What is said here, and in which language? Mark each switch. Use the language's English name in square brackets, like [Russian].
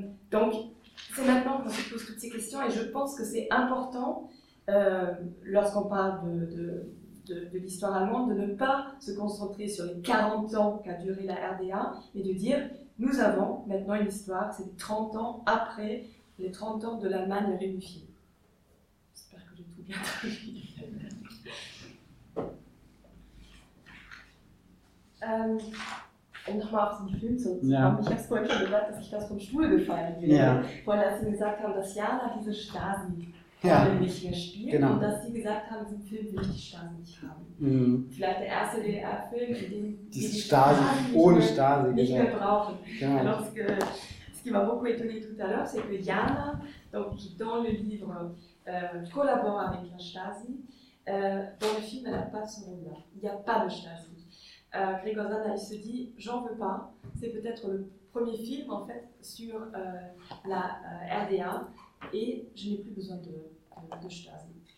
[French] Donc, c'est maintenant qu'on se pose toutes ces questions et je pense que c'est important, lorsqu'on parle de l'histoire allemande, de ne pas se concentrer sur les 40 ans qu'a duré la RDA, mais de dire, nous avons maintenant une histoire, c'est 30 ans après les 30 ans de l'Allemagne réunifiée. J'espère que j'ai tout bien traduit. [German] Um nochmal auf den Film zu kommen, ja. Ich habe es vorhin schon gesagt, dass ich das vom Stuhl gefallen bin. Ja. Vorhin, als Sie gesagt haben, dass Jana diese Stasi nicht mehr spielt, genau. Und dass Sie gesagt haben, diesen Film will ich die Stasi nicht haben. Vielleicht der erste DDR-Film, in dem diese Stasi nicht mehr brauchen. Genau. [French] Alors, ce qui m'a beaucoup étonné tout à l'heure, c'est que Jana, donc, dans le livre, collabore avec la Stasi. Dans le film, elle n'a pas son rôle-là. Il n'y a pas de Stasi. Grégoire Zanda, il se dit, j'en veux pas. C'est peut-être le premier film en fait sur la RDA et je n'ai plus besoin de Stasi.